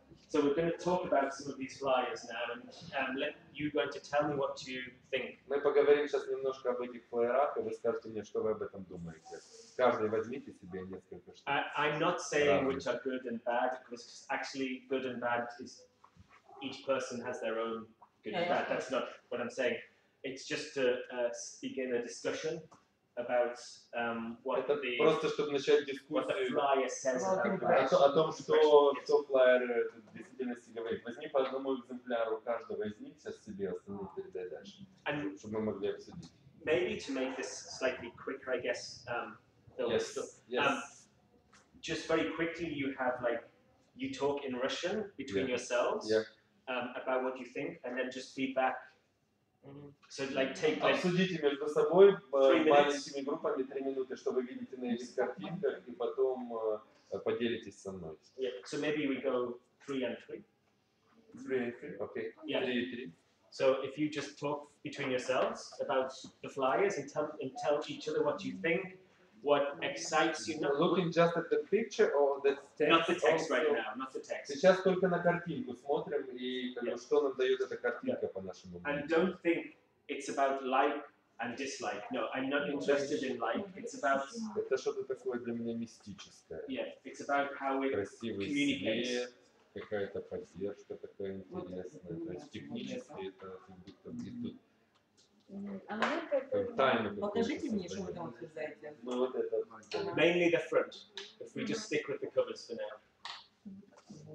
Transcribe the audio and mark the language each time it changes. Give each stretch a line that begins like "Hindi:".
English: So we're going to talk about some of these flyers now, and you're going to tell me what you think.
Russian: Мы поговорим сейчас немножко об этих флаерах, и вы скажете мне, что вы об этом думаете. Каждый возьмите себе несколько штук.
English: I'm not saying which are good and bad, because actually good and bad is each person has their own good and bad. That's not what I'm saying. It's just to begin a discussion about
Russian: просто чтобы начать дискуссию о том, что флайер в действительности говорит. Возьми по одному экземпляру каждого из них сейчас себе остальные передай дальше, чтобы мы могли обсудить.
English: maybe to make this slightly quicker, I guess, Bill, yes. So, yes. Just very quickly, you have like, you talk in Russian between yeah. yourselves yeah. About what you think, and then just feedback. So like take like
Russian: обсудите между собой маленькими группами 3 минуты, чтобы видеть на этих картинках, и потом поделитесь со мной.
English: Yeah. So maybe we go 3 and 3. 3 and 3. Okay. Yeah. 3 and 3. So if you just talk between yourselves about the flyers and tell each other what you think. What excites you? Know, looking just at the picture or the text? Not the text also, right now. Not the text.
Russian: Сейчас только на картинку смотрим и как
English: yeah.
Russian: что нам дает эта картинка
English: yeah.
Russian: по нашему мнению.
English: And don't think it's about like and dislike. No, I'm not interested in like. It's about.
Russian: Это что-то такое для меня мистическое.
English: Yeah, it's about how it
Russian: красивый
English: communicates.
Russian: Свет, какая-то поддержка такая интересная. То есть технически это как будто где-то.
English: Mainly the front, if we just stick with the covers for now.